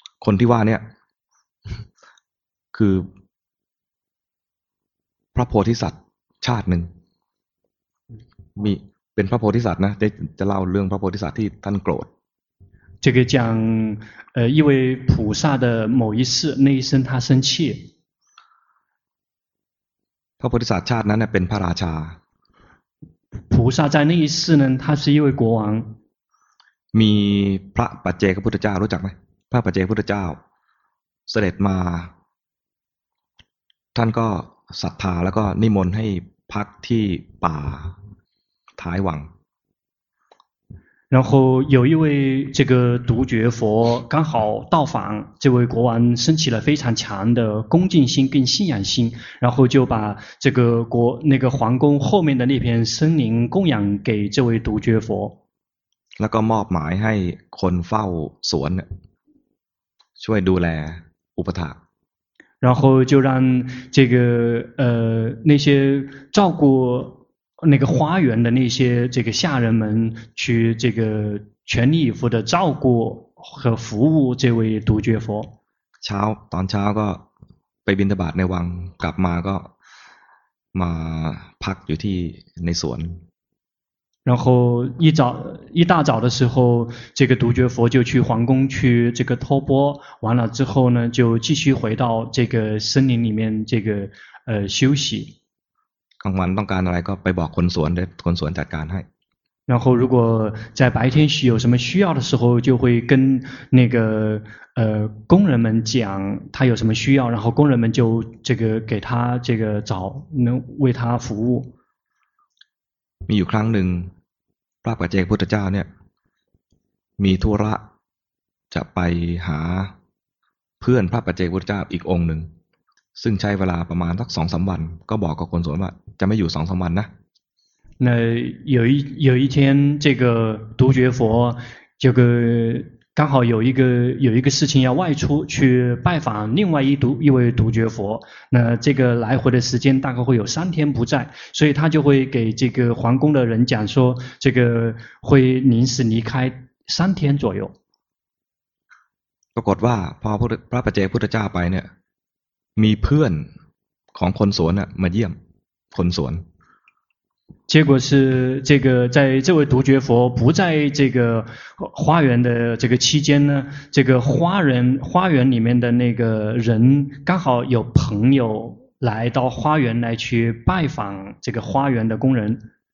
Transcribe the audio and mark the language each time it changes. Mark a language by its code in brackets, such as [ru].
[th] คนที่ว่าเนี่ยคือพระโพธิสัตว์ชาตินึงมีเป็นพระโพธิสัตว์นะจะเล่าเรื่องพระโพธิสัตว์ที่ท่านโกรธ [zh] 这个讲一位菩萨的某一世那一生他生气 [th] พระโพธิสัตว์ชาตินั้นเนี่ยเป็นพระราชา [zh] 菩萨在那一世呢他是一位国王 [th] มีพระปัจเจกพุทธเจ้ารู้จักไหมพระปัจเจกพุทธเจ้าเสด็จมาท่านก็ศรัทธาแล้วก็นิมนต์ให้พักที่ป่าท้ายวัง [zh] 然后有一位这个独觉佛刚好到访这位国王升起了非常强的恭敬心跟信仰心然后就把这个国那个皇宫后面的那片森林供养给这位独觉佛 [th] แล้วก็มอบหมายให้คนเฝ้าสวนช่วยดูแลอุปถัมภ์ [zh] 然后就让这个那些照顾那个花园的那些这个下人们去这个全力以赴的照顾和服务这位独觉佛 [th] เช้าตอนเช้าก็ไปบิณฑบาตในวังกลับมาก็มาพักอยู่ที่ในสวน [zh] 然后一大早的时候，这个独觉佛就去皇宫去这个托钵，完了之后呢，就继续回到这个森林里面这个休息。刚完，当干的来个背包捆索的捆索在干还。然后如果在白天需有什么需要的时候，就会跟那个工人们讲他有什么需要，然后工人们就这个给他这个找能为他服务。 [th] มีอยู่ครั้งหนึ่งพระปัจเจกพุทธเจ้าเนี่ยมีธุระจะไปหาเพื่อนพระปัจเจกพุทธเจ้าอีกองค์หนึ่งซึ่งใช้เวลาประมาณสักสองสามวันก็บอกกับคนสวนว่าจะไม่อยู่สองสามวันนะ [zh] 那有一天这个独觉佛这个刚好有一个事情要外出去拜访另外一位独觉佛那这个来回的时间大概会有三天不在所以他就会给这个皇宫的人讲说这个会临时离开三天左右 [th] ปรากฏว่าพอพระปัจเจกพุทธเจ้าไปเนี่ยมีเพื่อนของคนสวนน่ะมาเยี่ยมคนสวน [zh] 结果是这个在这位独觉佛不在这个花园的这个期间呢这个花园里面的那个人刚好有朋友来到花园来去拜访这个花园的工人